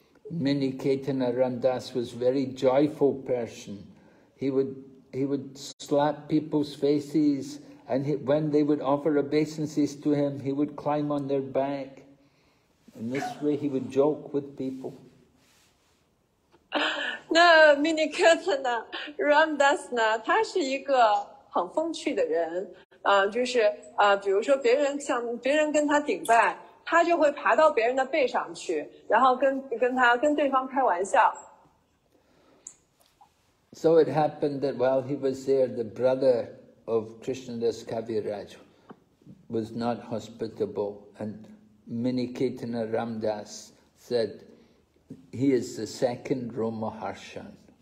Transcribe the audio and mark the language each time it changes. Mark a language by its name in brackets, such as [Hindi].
[English] Miniketana Ramdas was a very joyful person. He would slap people's faces, and when they would offer obeisances to him, he would climb on their back. In this way, he would joke with people. [Chinese] 那 Miniketana Ramdas 呢？他是一个很风趣的人啊，就是啊，比如说别人跟他顶拜。他就会爬到别人的背上去，然后跟对方开玩笑。 [English] So it happened that while he was there, the brother of Krishnadas Kaviraj was not hospitable, and Miniketana Ramdas said, "He is the second Roma Harshan."